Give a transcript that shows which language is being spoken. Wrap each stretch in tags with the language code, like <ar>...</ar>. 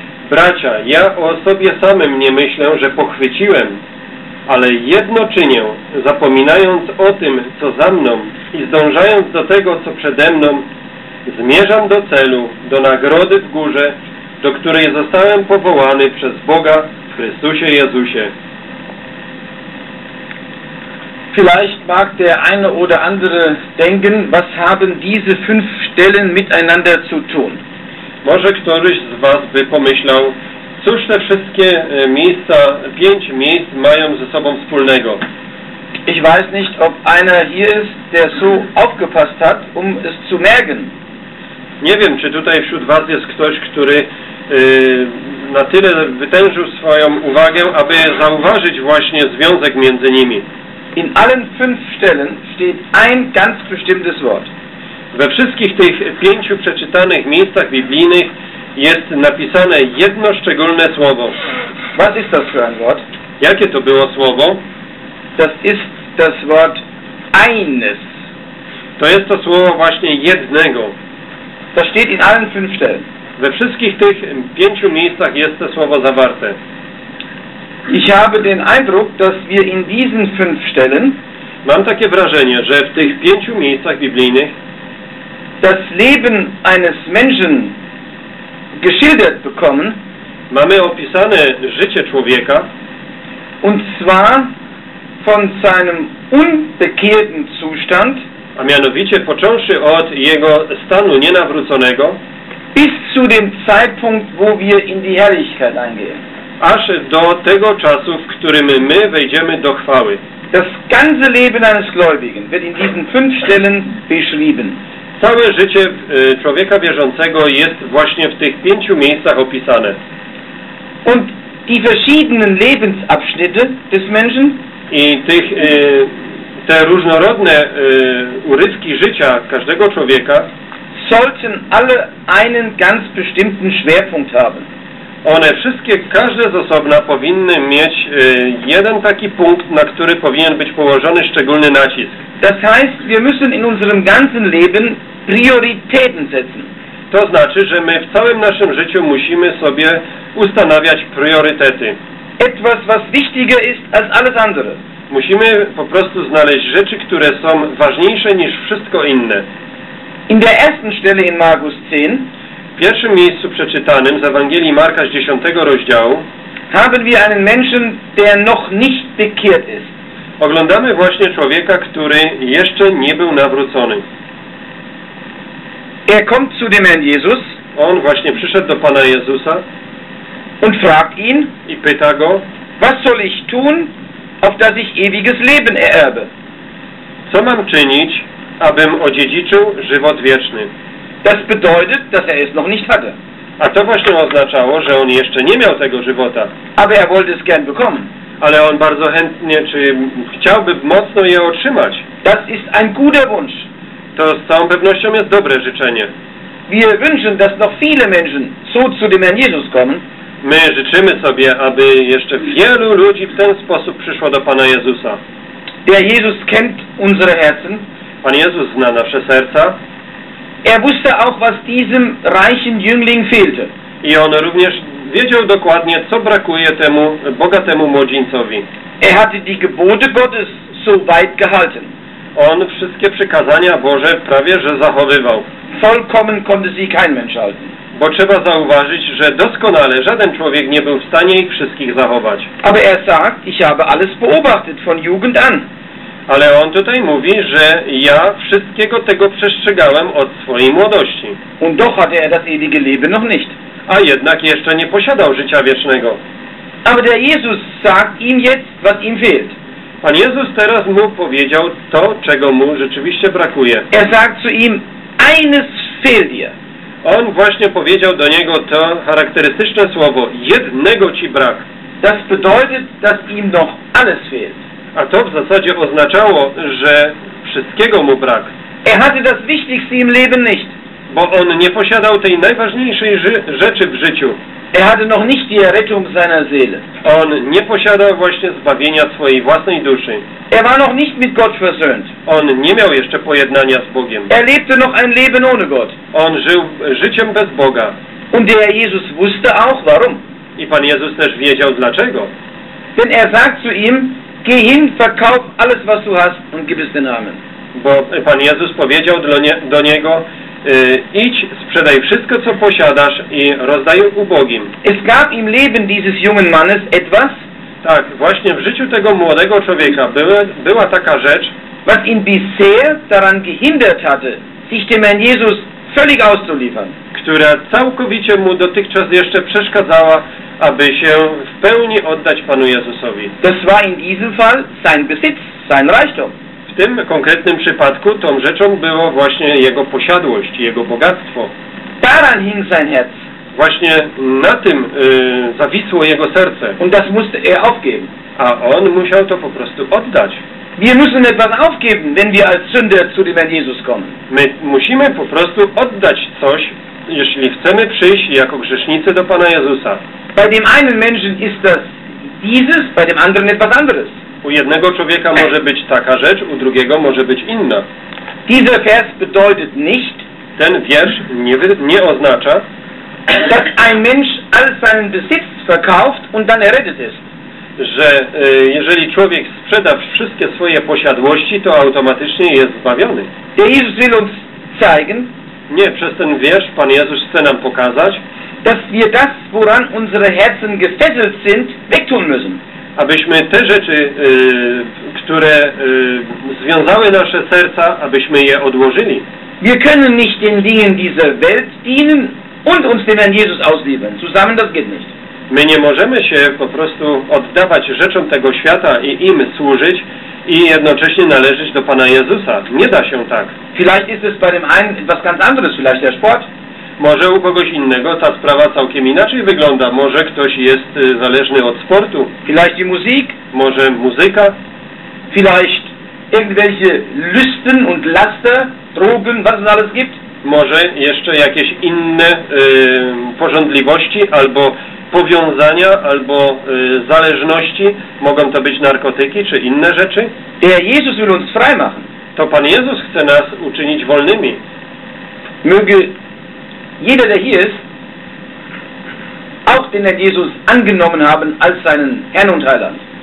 <pl>Bracia, ja o sobie samym nie myślę, że pochwyciłem, ale jedno czynię, zapominając o tym, co za mną i zdążając do tego, co przede mną, zmierzam do celu, do nagrody w górze, do której zostałem powołany przez Boga w Chrystusie Jezusie.</pl> <de>Vielleicht mag der eine oder andere denken, was haben diese fünf Stellen miteinander zu tun?</de> <pl>Może któryś z was by pomyślał, cóż te wszystkie miejsca, pięć miejsc mają ze sobą wspólnego?</pl> <de>Ich weiß nicht, ob einer hier ist, der so aufgepasst hat, um es zu merken.</de> <pl>Nie wiem, czy tutaj wśród was jest ktoś, który na tyle wytężył swoją uwagę, aby zauważyć właśnie związek między nimi.</pl> <de>In allen fünf Stellen steht ein ganz bestimmtes Wort.</de> <pl>We wszystkich tych pięciu przeczytanych miejscach biblijnych jest napisane jedno szczególne słowo.</pl> <de>Was ist das für ein Wort?</de> <pl>Jakie to było słowo?</pl> <de>Das ist das Wort eines.</de> <pl>To jest to słowo właśnie jednego.</pl> <de>Das steht in allen fünf Stellen.</de> <pl>We wszystkich tych pięciu miejscach jest to słowo zawarte.</pl> <de>Ich habe den Eindruck, dass wir in diesen fünf Stellen</de> <pl>mam takie wrażenie, że w tych pięciu miejscach biblijnych</pl> <de>das Leben eines Menschen geschildert bekommen</de> <pl>mamy opisane życie człowieka</pl> <de>und zwar von seinem unbekehrten Zustand</de> <pl>a mianowicie począwszy od jego stanu nienawróconego</pl> <de>bis zu dem Zeitpunkt, wo wir in die Herrlichkeit eingehen.</de> <pl>Aż do tego czasu, w którym my wejdziemy do chwały.</pl> <de>Das ganze Leben eines Gläubigen wird in diesen fünf Stellen beschrieben.</de> <pl>Całe życie człowieka wierzącego jest właśnie w tych pięciu miejscach opisane.</pl> <de>Und die verschiedenen Lebensabschnitte des Menschen</de> <pl>i tych, te różnorodne urywki życia każdego człowieka</pl> <de>sollten alle einen ganz bestimmten Schwerpunkt haben.</de> <pl>One wszystkie, każde z osobna powinny mieć jeden taki punkt, na który powinien być położony szczególny nacisk.</pl> <de>Das heißt, wir müssen in unserem ganzen Leben Prioritäten setzen.</de> <pl>To znaczy, że my w całym naszym życiu musimy sobie ustanawiać priorytety.</pl> <de>Etwas, was wichtiger ist als alles andere.</de> <pl>Musimy po prostu znaleźć rzeczy, które są ważniejsze niż wszystko inne.</pl> <de>In der ersten Stelle in Markus 10</de> <pl>w pierwszym miejscu przeczytanym z Ewangelii Marka z 10 rozdziału</pl> <de>haben wir einen Menschen, der noch nicht bekehrt ist.</de> <pl>Oglądamy właśnie człowieka, który jeszcze nie był nawrócony.</pl> <de>Er kommt zu dem Herrn Jesus.</de> <pl>On właśnie przyszedł do Pana Jezusa</pl> <de>und fragt ihn,</de> <pl>i pyta go,</pl> <de>was soll ich tun, auf dass ich ewiges Leben ererbe?</de> <pl>Co mam czynić, abym odziedziczył żywot wieczny?</pl> <de>Das bedeutet, dass er es noch nicht hatte.</de> <pl>A to właśnie oznaczało, że on jeszcze nie miał tego żywota.</pl> <de>Aber er wollte es gern bekommen.</de> <pl>Ale on bardzo chętnie, czy chciałby mocno je otrzymać.</pl> <de>Das ist ein guter Wunsch.</de> <pl>To z całą pewnością jest dobre życzenie.</pl> <de>Wir wünschen, dass noch viele Menschen so zu dem Herrn Jesus kommen.</de> <pl>My życzymy sobie, aby jeszcze wielu ludzi w ten sposób przyszło do Pana Jezusa.</pl> <de>Der Jesus kennt unsere Herzen.</de> <pl>Pan Jezus zna nasze serca.</pl> <de>Er wusste auch, was diesem reichen Jüngling fehlte.</de> <pl>I on również wiedział dokładnie, co brakuje temu bogatemu młodzieńcowi.</pl> <de>Er hatte die Gebote Gottes so weit gehalten.</de> <pl>On wszystkie przykazania Boże prawie że zachowywał.</pl> <de>Vollkommen konnte sie kein Mensch halten.</de> <pl>Bo trzeba zauważyć, że doskonale żaden człowiek nie był w stanie ich wszystkich zachować.</pl> <de>Aber er sagt, ich habe alles beobachtet von Jugend an.</de> <pl>Ale on tutaj mówi, że ja wszystkiego tego przestrzegałem od swojej młodości.</pl> <de>Und doch hatte er das ewige Leben noch nicht.</de> <pl>A jednak jeszcze nie posiadał życia wiecznego.</pl> <de>Aber der Jesus sagt ihm jetzt, was ihm fehlt.</de> <pl>Pan Jezus teraz mu powiedział to, czego mu rzeczywiście brakuje.</pl> <de>Er sagt zu ihm, eines fehlt dir.</de> <pl>On właśnie powiedział do niego to charakterystyczne słowo, jednego ci brak.</pl> <de>Das bedeutet, dass ihm noch alles fehlt.</de> <pl>A to w zasadzie oznaczało, że wszystkiego mu brak.</pl> <de>Er hatte das Wichtigste im Leben nicht.</de> <pl>Bo on nie posiadał tej najważniejszej rzeczy w życiu.</pl> <de>Er hatte noch nicht die Errettung seiner Seele.</de> <pl>On nie posiadał właśnie zbawienia swojej własnej duszy.</pl> <de>Er war noch nicht mit Gott versöhnt.</de> <pl>On nie miał jeszcze pojednania z Bogiem.</pl> <de>Er lebte noch ein Leben ohne Gott.</de> <pl>On żył życiem bez Boga.</pl> <de>Und der Jesus wusste auch warum.</de> <pl>I Pan Jezus też wiedział dlaczego.</pl> <de>Denn er sagt zu ihm, geh hin, verkauf alles was du hast und gib es den Armen.</de> <pl>Bo Pan Jezus powiedział do niego, idź, sprzedaj wszystko, co posiadasz i rozdaj ubogim.</pl> <de>Es gab im Leben dieses jungen Mannes etwas.</de> <pl>Tak, właśnie w życiu tego młodego człowieka była taka rzecz,</pl> <de>was ihn bisher daran gehindert hatte, sich dem Herrn Jesus völlig auszuliefern.</de> <pl>Która całkowicie mu dotychczas jeszcze przeszkadzała, aby się w pełni oddać Panu Jezusowi.</pl> <de>Das war in diesem Fall sein Besitz, sein Reichtum.</de> <pl>W tym konkretnym przypadku tą rzeczą było właśnie jego posiadłość, jego bogactwo.</pl> <de>Daran hing sein Herz.</de> <pl>Właśnie na tym zawisło jego serce.</pl> <de>Und das musste er aufgeben.</de> <pl>A on musiał to po prostu oddać.</pl> <de>Wir müssen etwas aufgeben, wenn wir als Sünder zu dem Herrn Jesus kommen.</de> <pl>My musimy po prostu oddać coś, jeśli chcemy przyjść jako grzesznicy do Pana Jezusa.</pl> <de>Bei dem einen Menschen ist das dieses, bei dem anderen etwas anderes.</de> <pl>U jednego człowieka może być taka rzecz, u drugiego może być inna.</pl> <de>Dieser Vers bedeutet nicht,</de> <pl>ten wiersz nie oznacza,</pl> <de>dass ein Mensch all seinen Besitz verkauft und dann errettet ist.</de> <pl>Że jeżeli człowiek sprzeda wszystkie swoje posiadłości, to automatycznie jest zbawiony.</pl> <de>Der Jesus will uns zeigen,</de> <pl>nie, przez ten wiersz Pan Jezus chce nam pokazać,</pl> <de>dass wir das, woran unsere Herzen gefesselt sind, wegtun müssen.</de> <pl>Abyśmy te rzeczy, które związały nasze serca, abyśmy je odłożyli.</pl> <de>Wir können nicht den Dingen dieser Welt dienen und uns dem Herrn Jesus ausliefern. Zusammen das geht nicht.</de> <pl>My nie możemy się po prostu oddawać rzeczom tego świata i im służyć i jednocześnie należeć do Pana Jezusa. Nie da się tak.</pl> <de>Vielleicht ist es bei dem einen etwas ganz anderes, vielleicht der Sport.</de> <pl>Może u kogoś innego ta sprawa całkiem inaczej wygląda. Może ktoś jest zależny od sportu.</pl> <de>Vielleicht die Musik.</de> <pl>Może muzyka.</pl> <de>Vielleicht irgendwelche Lüsten und Laster, Drogen, was es alles gibt.</de> <pl>Może jeszcze jakieś inne pożądliwości, albo powiązania, albo zależności. Mogą to być narkotyki, czy inne rzeczy.</pl> <de>Der Jesus will uns frei machen.</de> <pl>To Pan Jezus chce nas uczynić wolnymi.</pl> <de>Möge jeder, der hier ist, auch den Herrn Jesus angenommen haben als seinen Herrn und Heiland.</de>